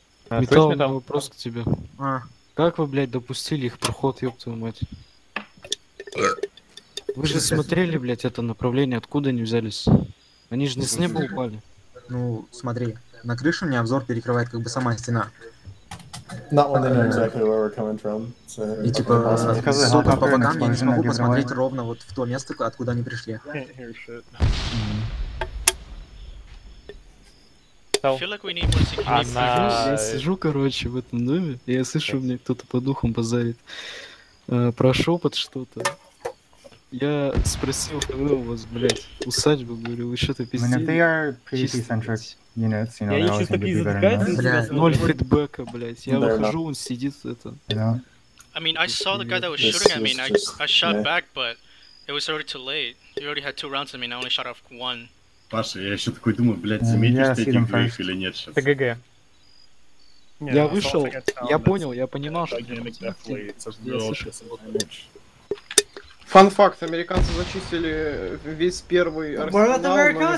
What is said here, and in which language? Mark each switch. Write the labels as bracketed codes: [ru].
[ru] Металл, у меня вопрос к тебе. Как вы, блядь, допустили их проход, ёб твою мать? Вы же смотрели, блядь, это направление, откуда они взялись? Они же не с неба упали. Ну, смотри, на крышу мне обзор перекрывает как бы сама стена. [en] Not when they know exactly where we're coming from. So... [ru] И типа, сука, по бокам я не смогу посмотреть ровно вот в то место, откуда они пришли. Я сижу, короче, в этом доме, и я слышу, мне кто-то по духам базарит. Про шепот что-то. Я спросил, когда у вас, блядь, усадьба, говорю, вы что-то пиздили? [en] I mean, they are PvP-centric units, you know, [ru] я [en] they always need to be better than that. [ru] Блядь, ноль фидбэка, блядь, я выхожу, он сидит, это... [en] Yeah. I mean, I saw the guy that was shooting at me, and I shot back, but It was already too late. You already had two rounds of me, and I only shot off one. [ru] Паша, я ещё такой думаю, блядь, заметишь ты этих двоих или нет сейчас? ТГГ. Я вышел, я понял, я понимал, что... Я слышал. Фан факт, американцы зачистили весь первый арсенал, но не